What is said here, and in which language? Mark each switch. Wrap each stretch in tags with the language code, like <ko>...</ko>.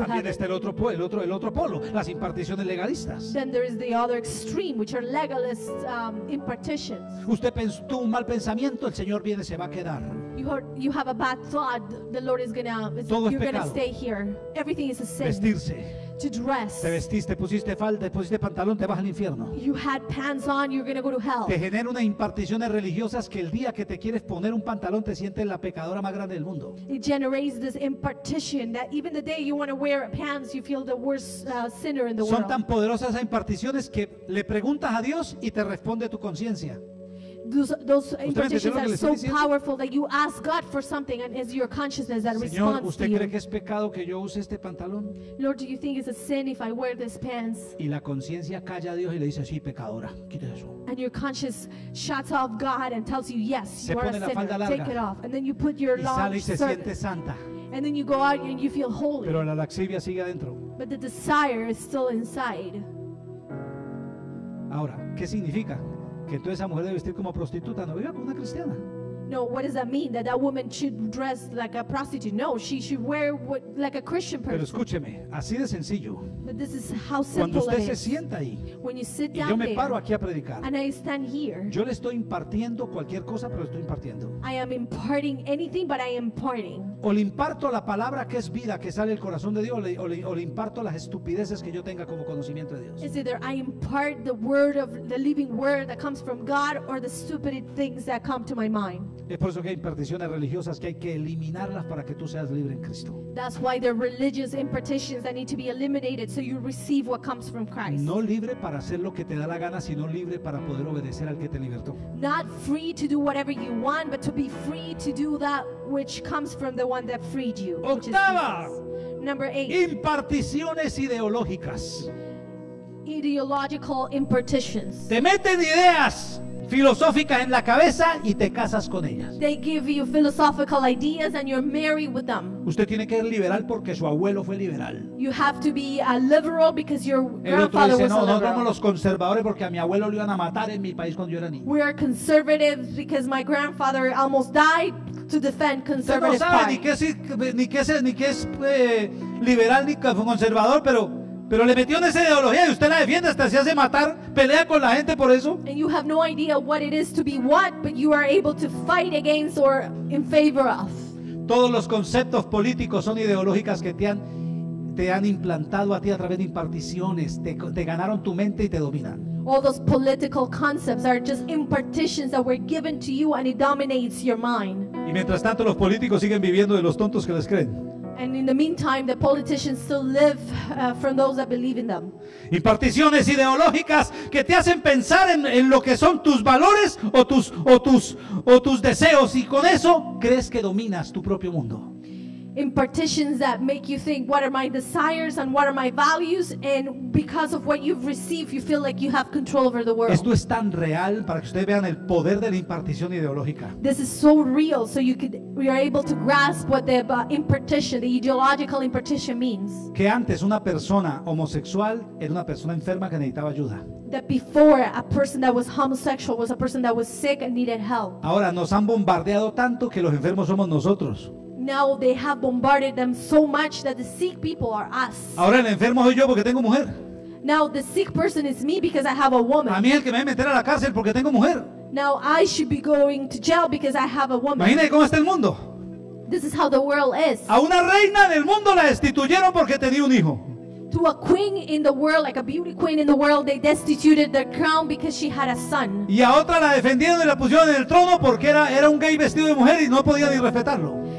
<es>también También está el otro polo, las imparticiones legalistas.</es> <en>Then there is the other extreme, which are legalist impartitions.</en> <es>Usted tuvo un mal pensamiento. El Señor viene, se va a quedar.</es> <en>You have a bad thought. The Lord is gonna.</en> <es>Todo es</es> <en>you're</en> <es>pecado.</es> <en>Gonna stay here. Everything is a sin.</en> <es>Vestirse.</es> <en>To dress.</en> <es>Te vestiste, pusiste falda, pusiste pantalón, te vas al infierno.</es> <en>You had pants on. You're gonna go to hell.</en> <es>Te genera unas imparticiones religiosas que el día que te quieres poner un pantalón te sientes la pecadora más grande del mundo.</es> <en>It generates this impartition that even the day you want to wear pants you feel the worst sinner in the</en> <es>Son</es> <en>world.</en> <es>Son tan poderosas esas imparticiones que le preguntas a Dios y te responde tu conciencia.</es> <en>Those impartitions are so powerful that you ask God for something and it's your consciousness that responds to you.</en> <es>Señor, ¿usted cree que es pecado que yo use este pantalón?</es> <en>Lord, do you think it's a sin if I wear these pants?</en> <es>Y la conciencia calla a Dios y le dice, sí, pecadora, quita eso.</es> <en>And your conscience shuts off God and tells you, yes, you are a sinner, take it off. And then you put your long skirt.</en> <es>Y sale y se siente santa.</es> <en>And then you go out and you feel holy.</en> <es>Pero la lascivia sigue adentro.</es> <en>But the desire is still inside.</en> <es>Ahora, ¿qué significa? Que entonces esa mujer debe vestir como prostituta, no viva como una cristiana.</es> <en>No, what does that mean? That woman should dress like a prostitute? No, she should wear like a Christian person.</en> <es>Pero escúcheme, así de sencillo.</es> <en>But this is how simple</en> <es>cuando usted</es> <en>it</en> <es>se</es> <en>is.</en> <es>Sienta ahí,</es> <en>when you sit down</en> <es>y yo me</es> <en>there,</en> <es>paro aquí a predicar,</es> <en>and I stand here,</en> <es>yo le estoy impartiendo cualquier cosa, pero estoy impartiendo.</es> <en>I am imparting anything, but I am imparting.</en> <es>O le imparto la palabra que es vida, que sale del corazón de Dios, o le imparto las estupideces que yo tenga como conocimiento de Dios.</es> <en>It's either I impart the word of the living word that comes from God, or the stupid things that come to my mind.</en> <es>Es por eso que hay imparticiones religiosas que hay que eliminarlas para que tú seas libre en Cristo.</es> <en>That's why there are religious impartitions that need to be eliminated so you receive what comes from Christ.</en> <es>No libre para hacer lo que te da la gana, sino libre para poder obedecer al que te libertó.</es> <en>Not free to do whatever you want, but to be free to do that which comes from the one that freed you.</en> <es>Octava.</es> <en>Number 8.</en> <es>Imparticiones ideológicas.</es> <en>Ideological impartitions.</en> <es>Te meten ideas filosóficas en la cabeza y te casas con ellas.</es> <en>They give you philosophical ideas and you're married with them.</en> <es>Usted tiene que ser liberal porque su abuelo fue liberal.</es> <en>You have to be a liberal because your grandfather</en> <es>dice, no,</es> <en>a liberal.</en> <es>No, no somos los conservadores porque a mi abuelo lo iban a matar en mi país cuando yo era niño.</es> <en>We are conservatives because my grandfather almost died to defend conservative party.</en> <es>No sabe ni qué es liberal ni conservador, pero le metió en esa ideología y usted la defiende hasta se hace matar, pelea con la gente por eso.</es> <en>And you have no idea what it is to be what, but you are able to fight against or in favor of.</en> <es>Todos los conceptos políticos son ideológicas que te han implantado a ti a través de imparticiones, te ganaron tu mente y te dominan.</es> <en>All those political concepts are just impartitions that were given to you and it dominates your mind.</en> <es>Y mientras tanto los políticos siguen viviendo de los tontos que les creen.</es> <en>And in the meantime, the politicians still live from those that believe in them.</en> <es>Imparticiones ideológicas que te hacen pensar en lo que son tus valores o tus deseos, y con eso crees que dominas tu propio mundo.</es> <en>Impartitions that make you think, what are my desires and what are my values, and because of what you've received, you feel like you have control over the world.</en> <es>Esto es tan real para que ustedes vean el poder de la impartición ideológica.</es> <en>This is so real, so you are able to grasp what the impartition, the ideological impartition means.</en> <es>Que antes una persona homosexual era una persona enferma que necesitaba ayuda.</es> <en>That before a person that was homosexual was a person that was sick and needed help.</en> <es>Ahora nos han bombardeado tanto que los enfermos somos nosotros.</es> <en>Now they have bombarded them so much that the sick people are us.</en> <es>Ahora el enfermo soy yo porque tengo mujer.</es> <en>Now the sick person is me because I have a woman.</en> <es>A mí el que me va a meter a la cárcel porque tengo mujer.</es> <en>Now I should be going to jail because I have a woman.</en> <es>Imagínate cómo está el mundo.</es> <en>This is how the world is.</en> <es>A una reina del mundo la destituyeron porque tenía un hijo.</es> <en>To a queen in the world, like a beauty queen in the world, they destituted their crown because she had a son.</en> <es>Y a otra la defendieron y la pusieron en el trono porque era un gay vestido de mujer y no podía ni respetarlo.</es>